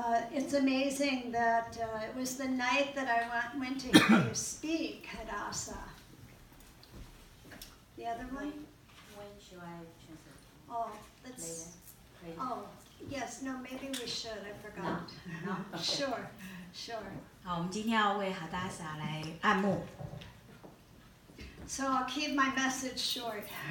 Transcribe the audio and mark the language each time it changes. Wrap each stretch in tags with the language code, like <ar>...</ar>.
<en>It's amazing that it was the night that I went to hear you speak, Hadassah. The other one? When should I translate? Oh, let's... Later. Oh, yes, no, maybe we should. I forgot. No, okay. Sure.</en> <zh>好，我们今天要为 Hadassah 来按摩。</zh> <en>So I'll keep my message short.</en>